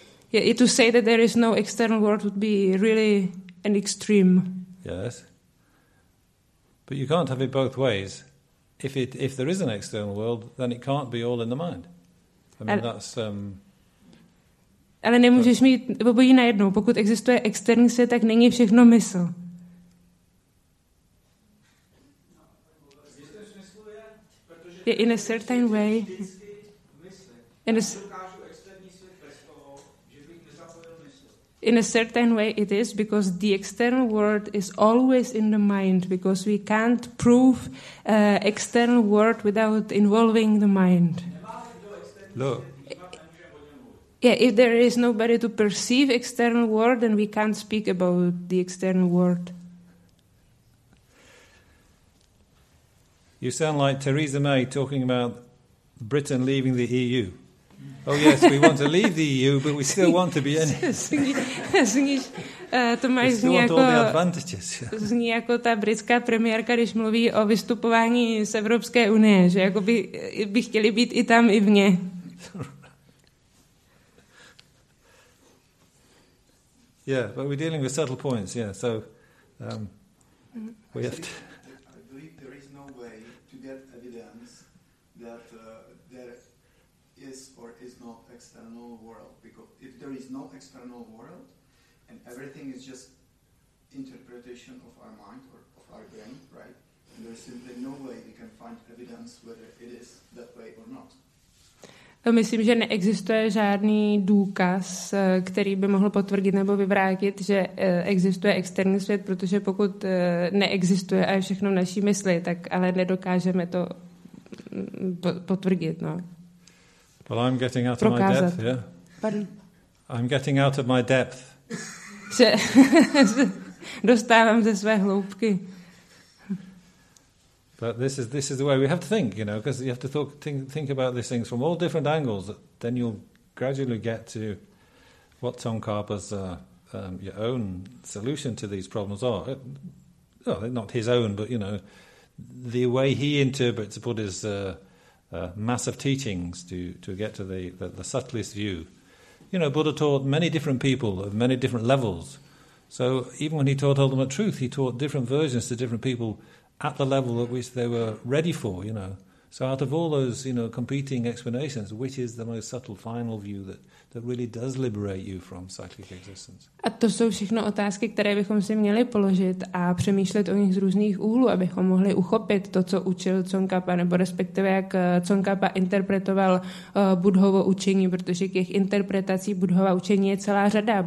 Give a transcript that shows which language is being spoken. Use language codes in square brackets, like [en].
[en] Yeah, to say that there is no external world would be really an extreme. Yes, but you can't have it both ways. If there is an external world, then it can't be all in the mind. I mean, that's. [cs] Ale nemůžeš mít obojí najednou. Pokud existuje externí svět, tak není všechno mysl. Je [en] in a certain way. In a certain way it is, because the external world is always in the mind, because we can't prove external world without involving the mind. Look. Yeah, if there is nobody to perceive external world, then we can't speak about the external world. You sound like Theresa May talking about Britain leaving the EU. Oh yes, we want to leave the EU, but we still want to be in it. We still want all the advantages. [cs] Zní jako ta britská premiérka, když mluví o vystupování z Evropské unie, že jako by chtěli být i tam, i vně. [en] Yeah, but we're dealing with subtle points, yeah, so we have to... I believe there is no way to get evidence that there is or is not external world, because if there is no external world and everything is just interpretation of our mind or of our brain, right, and there is simply no way we can find evidence whether it is that way or not. [cs] Myslím, že neexistuje žádný důkaz, který by mohl potvrdit nebo vyvrátit, že existuje externí svět, protože pokud neexistuje a je všechno v naší mysli, tak ale nedokážeme to potvrdit. No. [en] Well, I'm getting out of [cs] prokázat. [en] My depth, yeah? Pardon? I'm getting out of my depth. [cs] Dostávám ze své hloubky. [en] But this is the way we have to think, you know, because you have to think about these things from all different angles. Then you'll gradually get to what Tongkhapa's your own solution to these problems are. Well, not his own, but you know, the way he interprets Buddha's mass of teachings to get to the subtlest view. You know, Buddha taught many different people at many different levels. So even when he taught ultimate truth, he taught different versions to different people. At the level at which they were ready for, you know. So out of all those, you know, competing explanations, which is the most subtle final view that really does liberate you from cyclic existence? [cs] A to jsou všechno otázky, které bychom si měli položit a přemýšlet o nich z různých úhlů, abychom mohli uchopit to, co učil Tsongkhapa, nebo respektive jak Tsongkhapa interpretoval Buddhovo učení, protože k jejich interpretací Buddhova učení je celá řada.